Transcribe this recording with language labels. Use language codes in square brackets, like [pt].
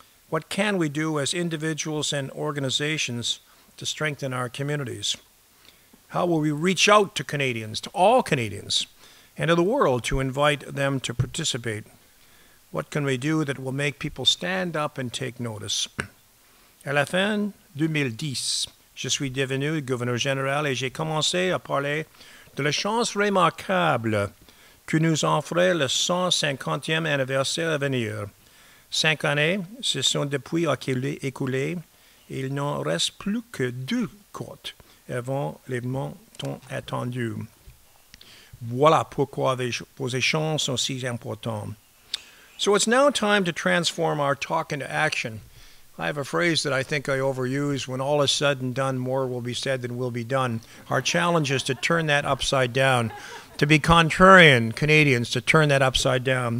[en] What can we do as individuals and organizations to strengthen our communities? How will we reach out to Canadians, to all Canadians, and to the world to invite them to participate? What can we do that will make people stand up and take notice? [fr] À la fin 2010, je suis devenu gouverneur général et j'ai commencé à parler de la chance remarquable que nous offrait le 150e anniversaire à venir. Cinq années se sont depuis écoulées et il n'en reste plus que deux côtes avant l'événement tant attendu. Voilà pourquoi vos échanges sont si importants. [en] So it's now time to transform our talk into action. I have a phrase that I think I overuse. When all is said and done, more will be said than will be done. Our challenge is to turn that upside down, to be contrarian Canadians, to turn that upside down.